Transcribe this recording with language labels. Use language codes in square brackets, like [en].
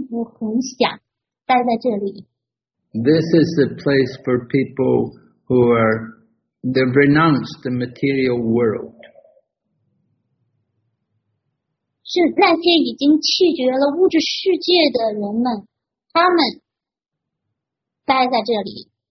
[zh] 他说这个地方是在优界的居所，是融入主的存在的合一的居所，奉献者并不很想待在这里。 [en] This is the place for people who are they've renounced the material world. [zh] 是那些已经弃绝了物质世界的人们，他们待在这里。